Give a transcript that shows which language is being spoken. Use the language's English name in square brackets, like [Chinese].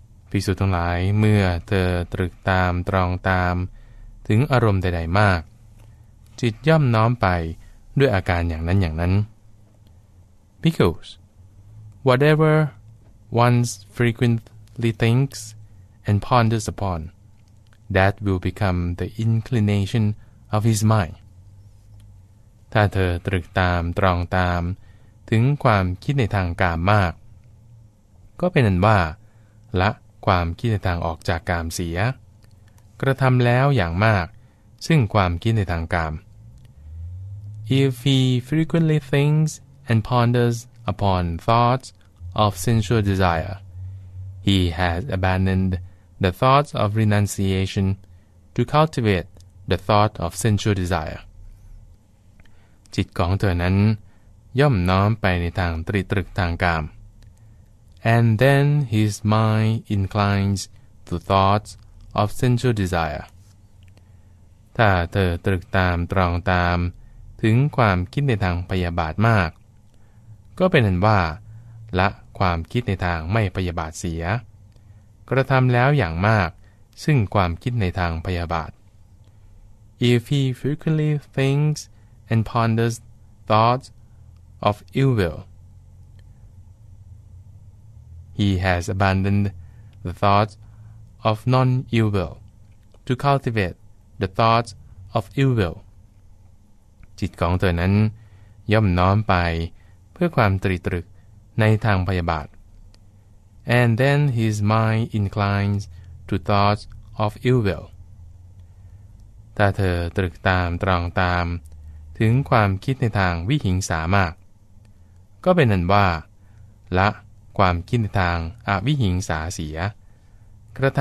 [Thai] ภิกษุทั้งหลายเมื่อเธอตรึกตามตรองตามถึงอารมณ์ใดๆมากจิตย่อมน้อมไปด้วยอาการอย่างนั้นอย่างนั้น [English] Because whateverone frequently thinks and ponders upon, that will become the inclination of his mind. [Thai] ถ้าเธอตรึกตามตรองตามถึงความคิดในทางกามมากก็เป็นอันว่าละความคิดในทางออกจากกามเสียกระทำแล้วอย่างมากซึ่งความคิดในทางกาม [English] If he frequently thinks and ponders upon thoughtsOf sensual desire, he has abandoned the thoughts of renunciation to cultivate the thought of sensual desire. [Thai] จิตของเธอนั้นย่อมน้อมไปในทางตรีตรึกทางกาม [English] And then his mind inclines to thoughts of sensual desire. [Thai] ถ้าเธอตรึกตามตรองตามถึงความคิดในทางพยาบาทมากก็เป็นอันว่าละความคิดในทางไม่พยาบาทเสียกระทำแล้วอย่างมากซึ่งความคิดในทางพยาบาท [English] If he frequently thinks and ponders thoughts of ill will, he has abandoned the thoughts of non-ill will to cultivate the thoughts of ill will. [Thai] จิตของเธอนั้นย่อมน้อมไปเพื่อความตรีตรึกในทางพยาบาท [English] And then his mind inclines to thoughts of ill will. [Thai] ถ้าเธอตรึกตามตรองตามถึงความคิดในทางวิหิงสามากก็เป็นอันว่าละความคิดในทางอวิหิงสาเสียก